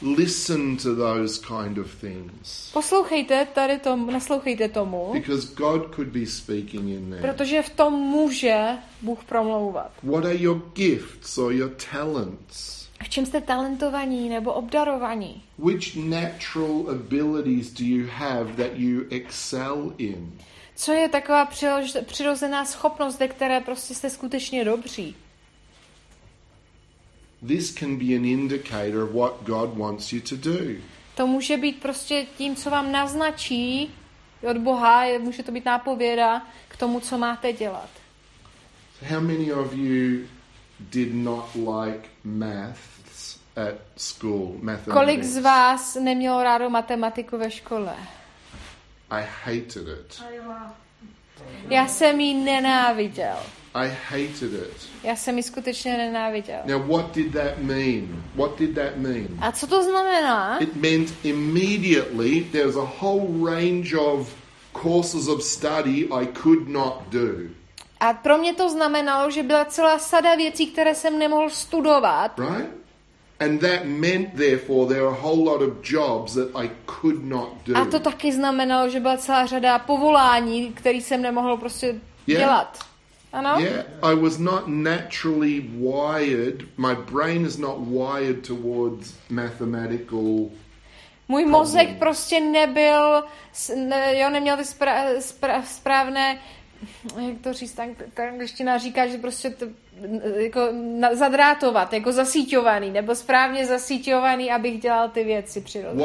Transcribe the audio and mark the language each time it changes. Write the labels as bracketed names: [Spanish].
[English] Listen to those kind of things. [Czech] Poslouchejte tady tomu, naslouchejte tomu. [English] Because God could be speaking in there. [Czech] Protože v tom může Bůh promlouvat. [English] What are your gifts or your talents? [Czech] V čem jste talentovaní nebo obdarovaní? [English] Which natural abilities do you have that you excel in? [Czech] Co je taková přirozená schopnost, ve které prostě jste skutečně dobří? [English] This can be an indicator of what God wants you to do. [Czech] To může být prostě tím, co vám naznačí od Boha, může to být nápověda k tomu, co máte dělat. [English] How many of you did not like maths at school, mathematics? [Czech] Kolik z vás nemělo rádo matematiku ve škole? [English] I hated it. [Czech] Já jsem ji nenáviděl. [English] I hated it. [Czech] Já jsem ji skutečně nenáviděl. [English] Now what did that mean? What did that mean? [Czech] A co to znamená? [English] It meant immediately there's a whole range of courses of study I could not do. [Czech] A pro mě to znamenalo, že byla celá sada věcí, které jsem nemohl studovat. [English] Right? And that meant, therefore, there are a whole lot of jobs that I could not do. [Czech] A to taky znamenalo, že byla celá řada povolání, které jsem nemohl prostě dělat. Ano? [English] Yeah, I was not naturally wired. My brain is not wired towards mathematical. [Czech] Můj mozek prostě nebyl, jo, neměl ty správné, jak to říct, ta angličtina říká, že prostě to, jako zadrátovat, jako zasíťovaný, nebo správně zasíťovaný, abych dělal ty věci přirozeně.